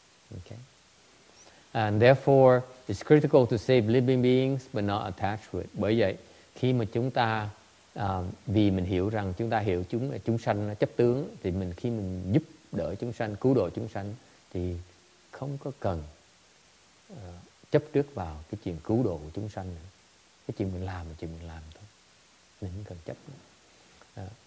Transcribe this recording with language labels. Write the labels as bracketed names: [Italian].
[English] Okay. And therefore, it's critical to save living beings but not attach to it. [Vietnamese] Bởi vậy, khi mà chúng ta vì mình hiểu rằng chúng ta hiểu chúng sanh chấp tướng, thì mình khi mình giúp đỡ chúng sanh, cứu độ chúng sanh, thì không có cần chấp trước vào cái chuyện cứu độ của chúng sanh nữa. Cái chuyện mình làm là chuyện mình làm thôi, mình không cần chấp nữa.